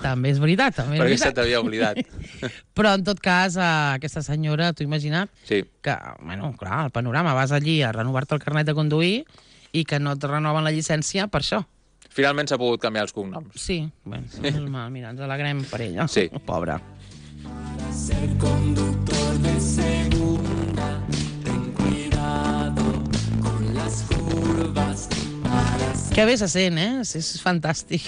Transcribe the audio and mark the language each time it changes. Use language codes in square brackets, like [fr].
[ca] També és veritat, també és veritat. Perquè se t'havia oblidat. Però en tot cas, aquesta senyora, t'ho imagina't? Sí. Que, bueno, clar, el panorama, vas allí a renovar-te el carnet de conduir i que no et renoven la llicència per això. Finalment s'ha pogut canviar els cognoms. Sí, bé, normal, mira, ens alegrem per ella. Sí. Pobre. [es] Ser conductor de segunda, ten cuidado con las curvas. [ca] Que bé se sent, és fantàstic.